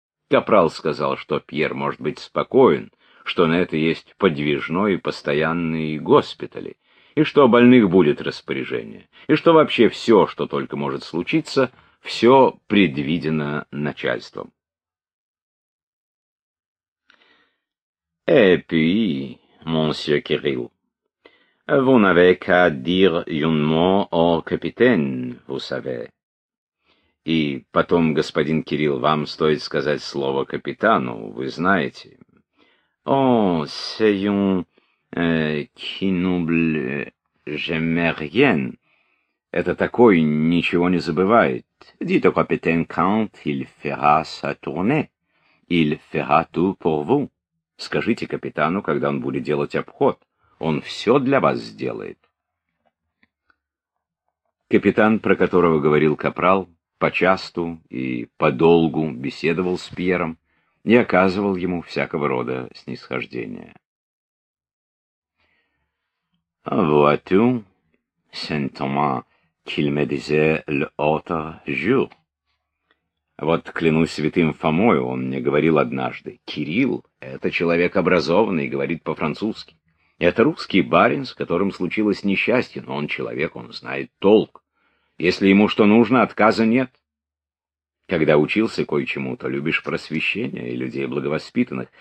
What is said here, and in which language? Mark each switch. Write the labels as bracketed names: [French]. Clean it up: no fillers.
[Russian] Капрал сказал, что Пьер может быть спокоен, что на это есть подвижной и постоянный госпитали, и что о больных будет распоряжение, и что вообще все, что только может случиться, все предвидено начальством. [French] Эпи, монсье Кирилл, vous n'avez qu'à dire un mot au capitaine, vous savez. [Russian] И потом, господин Кирилл, вам стоит сказать слово капитану, вы знаете. [French] О, c'est un qui n'oublie jamais rien. [Russian] Это такой, ничего не забывает. [French] Dites au capitaine quand il fera sa tournée. Il fera tout pour vous. [Russian] Скажите капитану, когда он будет делать обход. Он все для вас сделает. Капитан, про которого говорил капрал, почасту и подолгу беседовал с Пьером и оказывал ему всякого рода снисхождения. [French] Vois-tu, Saint-Thomas, qu'il me disait l'autre jour. [Russian] Вот клянусь святым Фомою, он мне говорил однажды, Кирилл — это человек образованный, говорит по-французски. Это русский барин, с которым случилось несчастье, но он человек, он знает толк. Если ему что нужно, отказа нет. Когда учился кое-чему, то любишь просвещение и людей благовоспитанных.